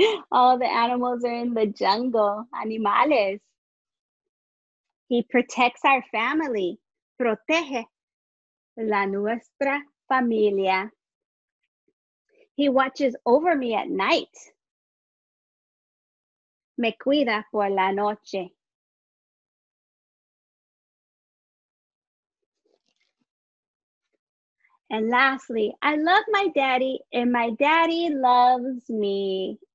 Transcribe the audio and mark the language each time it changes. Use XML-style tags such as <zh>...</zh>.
<en>All the animals are in the jungle, animales. He protects our family.</en> <es>Protege la nuestra familia.</es> <en>He watches over me at night.</en> <es>Me cuida por la noche.</es> <en>And lastly, I love my daddy and my daddy loves me.</en>